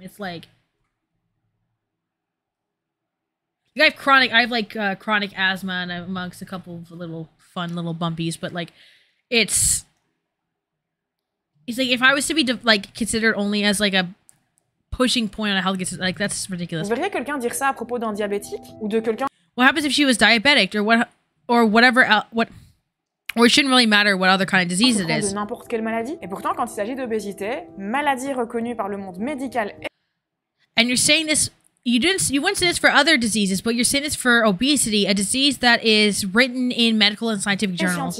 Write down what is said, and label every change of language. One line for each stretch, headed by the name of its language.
English: It's like, I have chronic, chronic asthma and amongst a couple of little fun little bumpies, but like, it's like, if I was to be like considered only as like a pushing point on a healthcare system, like that's ridiculous.
French: Vous verriez quelqu'un dire ça à propos d'un diabétique ou de quelqu'un?
English: What happens if she was diabetic or what, or whatever else, what? Or it shouldn't really matter what other kind of disease it is.
French: De n'importe quelle maladie. Et pourtant, quand il s'agit d'obésité, maladie reconnue par le monde médical.
English: And you're saying this, you wouldn't say this for other diseases, but you're saying this for obesity, a disease that is written in medical and scientific journals.